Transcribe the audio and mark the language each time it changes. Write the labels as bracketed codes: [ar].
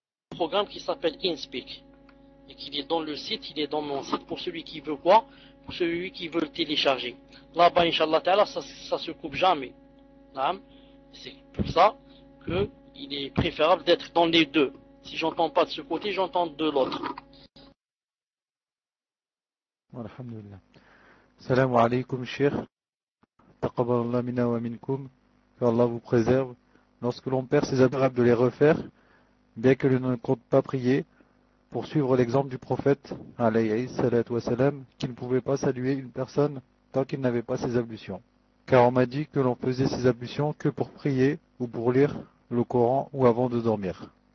[fr] programme qui s'appelle InSpeak et qu'il est dans le site, il est dans mon site pour celui qui veut quoi? Pour celui qui veut le télécharger. Là-bas, [ar] Inch'Allah ta'ala, [fr] ça se coupe jamais. C'est pour ça qu'il est préférable d'être dans les deux. Si j'entends pas de ce côté, j'entends de l'autre. [ar] الحمد لله. السلام عليكم الشيخ, تقبل الله منا ومنكم. [fr] Que Allah vous préserve. Lorsque l'on perd ses adorables, de les refaire, bien que l'on ne compte pas prier, pour suivre l'exemple du prophète, [ar] alayhi salatu wa salam, [fr] qui ne pouvait pas saluer une personne tant qu'il n'avait pas ses ablutions. Car on m'a dit que l'on faisait ses ablutions que pour prier ou pour lire le Coran ou avant de dormir.